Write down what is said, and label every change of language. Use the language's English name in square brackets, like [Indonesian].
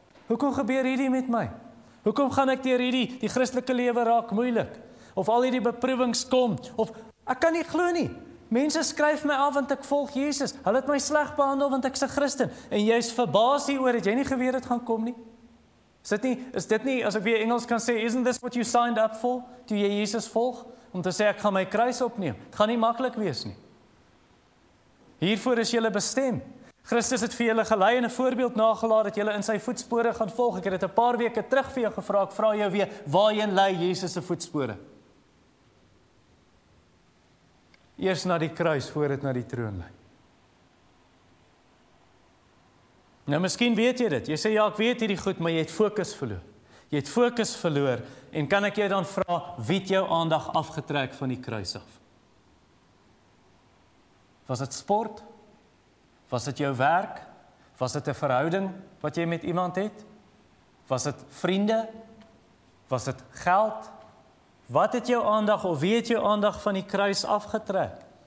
[Afrikaans] Hoekom gebeur hierdie met my? Hoekom gaan ek deur hierdie die Christelike lewe raak moeilik? Of al hierdie beproewings kom? Of ek kan nie glo nie. Mense skryf my af want ek volg Jesus. Hulle het my sleg behandel want ek's 'n Christen. En jy's verbaas hieroor dat jy nie geweet het gaan kom nie. Is dit nie as ek weer Engels kan sê, [English] isn't this what you signed up for? [Afrikaans] Toe jy Jesus volg om te sê ek gaan my kruis opneem. Dit gaan nie maklik wees nie. Hiervoor is jy bestem. Christus het vir julle gelei en 'n voorbeeld nagelaat dat julle in sy voetspore gaan volg. Ek het dit 'n paar weke terug vir jou gevra. Ek vra jou weer, waarheen lei Jesus se voetspore? Eers na die kruis voor dit na die troon lei. Nou miskien weet jy dit. Jy sê ja, ek weet hierdie goed, maar jy het fokus verloor. Jy het fokus verloor en kan ek jou dan vra wie het jou aandag afgetrek van die kruis af? Was dit sport? Was dit jou werk? Was dit 'n verhouding wat jy met iemand het? Was dit vriende? Was dit geld? Wat het jou aandag of wie het jou aandag van die kruis afgetrek?